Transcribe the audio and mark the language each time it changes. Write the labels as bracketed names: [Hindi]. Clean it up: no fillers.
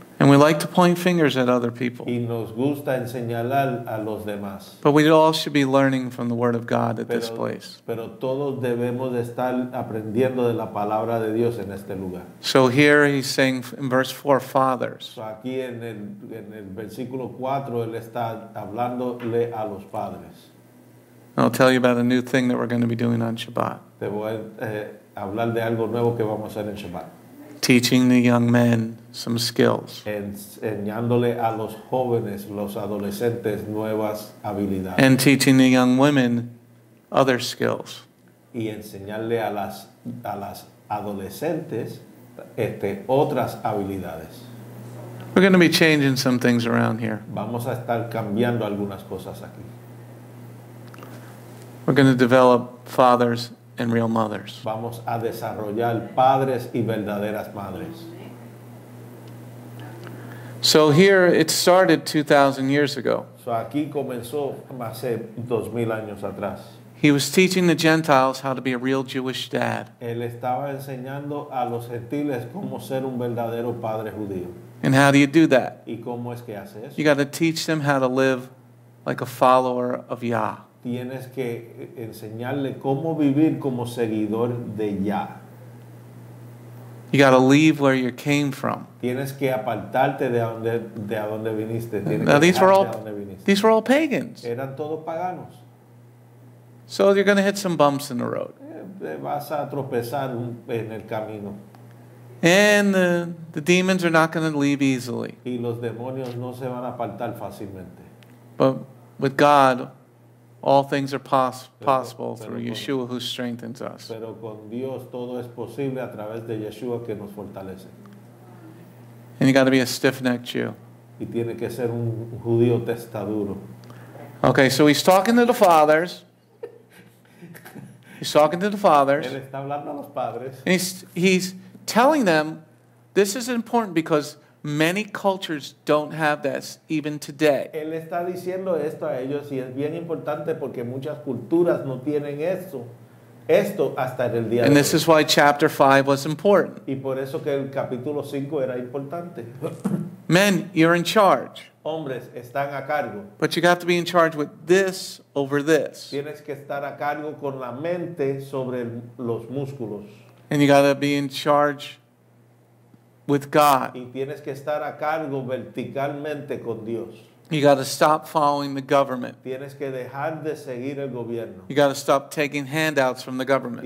[English] And we like to point fingers at other people. [Spanish] Y nos gusta enseñar a los demás. [English] But we all should be learning from the Word of God at this place. [Spanish] Pero todos debemos de estar aprendiendo de la palabra de Dios en este lugar. [English] So here he's saying in verse 4, fathers. [Spanish] Aquí en el versículo 4, él está hablándole a los padres. [English] I'll tell you about a new thing that we're going to be doing on Shabbat. [Spanish] Te voy a hablar de algo nuevo que vamos a hacer en Shabbat. [English] Teaching the young men some skills. [Spanish] Enseñándole a los jóvenes, los adolescentes, nuevas habilidades. [English] And teaching the young women other skills. [Spanish] Y enseñarle a las adolescentes otras habilidades. [English] We're going to be changing some things around here. [Spanish] Vamos a estar cambiando algunas cosas aquí. [English] We're going to develop fathers and real mothers. [Spanish] Vamos a desarrollar padres y verdaderas madres. [English] So here it started 2,000 years ago. [Spanish] So aquí comenzó hace 2,000 años atrás. [English] He was teaching the Gentiles how to be a real Jewish dad. [Spanish] Él estaba enseñando a los gentiles cómo ser un verdadero padre judío. [English] And how do you do that? [Spanish] ¿Y cómo es que hace eso? [English] You got to teach them how to live like a follower of Yah. [Spanish] Tienes que enseñarle cómo vivir como seguidor de Yah. [English] You got to leave where you came from. [Spanish] Tienes que apartarte de donde viniste. [English] These were all pagans. [Spanish] Eran todos paganos. [English] So you're going to hit some bumps in the road. [Spanish] Vas a tropezar en el camino. [English] And the demons are not going to leave easily. [Spanish] Y los demonios no se van a apartar fácilmente. [English] But with God, all things are possible through Yeshua who strengthens us. [Spanish] Pero con Dios todo es posible a través de Yeshua que nos fortalece. [English] And you got to be a stiff-necked Jew. [Spanish] Y tiene que ser un judío testaduro. [English] Okay, so he's talking to the fathers. He's talking to the fathers. [Spanish] Él está hablando a los padres. [English] And he's telling them, this is important because many cultures don't have this even today. [Spanish] Él está diciendo esto a ellos y es bien importante porque muchas culturas no tienen esto hasta el día de hoy. [English] And this is why chapter 5 was important. [Spanish] Y por eso que el capítulo 5 era importante. [English] Men, you're in charge. [Spanish] Hombres, están a cargo. [English] But you got to be in charge with this over this. [Spanish] Tienes que estar a cargo con la mente sobre los músculos. [English] And you got to be in charge with God. [Spanish] Y tienes que estar a cargo verticalmente con Dios. [English] You got to stop following the government. [Spanish] Tienes que dejar de seguir el gobierno. [English] You got to stop taking handouts from the government.